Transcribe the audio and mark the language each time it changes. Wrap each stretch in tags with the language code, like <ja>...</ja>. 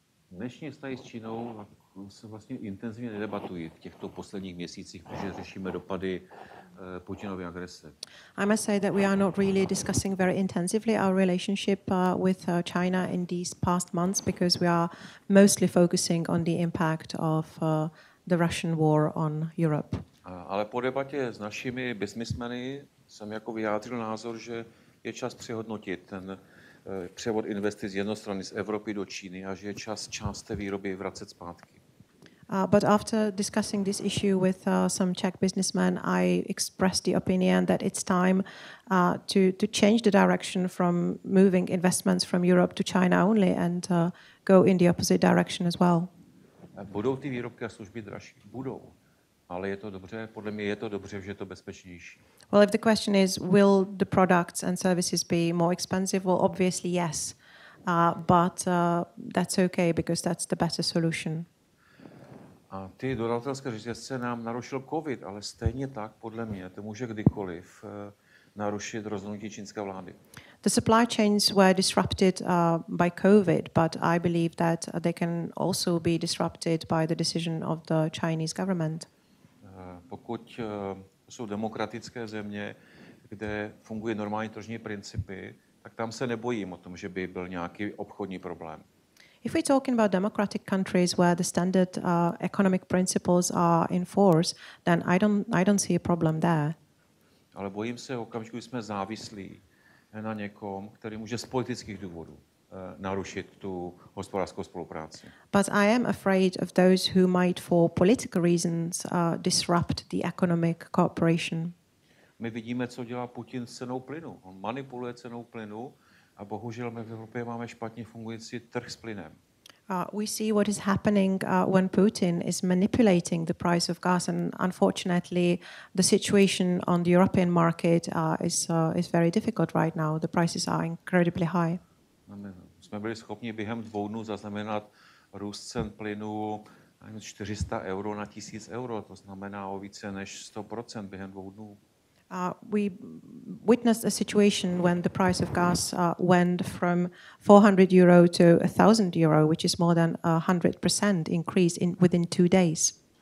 <cs>Dnešní vztahy s Čínou se vlastně intenzivně nedebatují v těchto posledních měsících, protože řešíme dopady Putinovy agrese.</cs> <en>I must say that we are not really discussing very intensively our relationship with China in these past months because we are mostly focusing on the impact of the Russian war on Europe.</en> <cs>Ale po debatě s našimi businessmeny jsem jako vyjádřil názor, že je čas přehodnotit ten převod investic jednostranný z Evropy do Číny a že je čas část té výroby vracet zpátky.</cs> <en>But after discussing this issue with some Czech businessmen, I expressed the opinion that it's time to change the direction from moving investments from Europe to China only and go in the opposite direction as well.</en> <cs>Budou ty výrobky a služby dražší? Budou. Ale je to dobře, podle mě je to dobře, že je to bezpečnější.</cs> <en>Well, if the question is, will the products and services be more expensive? Well, obviously yes, but that's okay because that's the better solution.</en> <cs>A ty dodavatelské řetězce nám narušil COVID, ale stejně tak, podle mě, to může kdykoliv narušit rozhodnutí čínské vlády.</cs> <en>The supply chains were disrupted by COVID, but I believe that they can also be disrupted by the decision of the Chinese government.</en> <cs>Pokud jsou demokratické země, kde fungují normální tržní principy, tak tam se nebojím o tom, že by byl nějaký obchodní problém.</cs> <en>If we're talking about democratic countries where the standard economic principles are in force, then I don't see a problem there.</en> <cs>Ale bojím se, okamžiku jsme závislí na někom, který může z politických důvodů narušit tu hospodářskou spolupráci.</cs> <en>But I am afraid of those who might for political reasons disrupt the economic cooperation.</en> <cs>My vidíme, co dělá Putin s cenou plynu. On manipuluje cenou plynu a bohužel my v Evropě máme špatně fungující trh s plynem.</cs> <en>We see what is happening when Putin is manipulating the price of gas, and unfortunately, the situation on the European market is very difficult right now. The prices are incredibly high.</en> <cs>My jsme byli schopni během dvou dnů zaznamenat růst cen plynu 400 euro na 1000 euro. To znamená o více než 100% během dvou dnů.</cs> <en>We witnessed a situation when the price of gas went from 400 euro to 1000 euro, which is more than 100% increase in within 2 days.</en>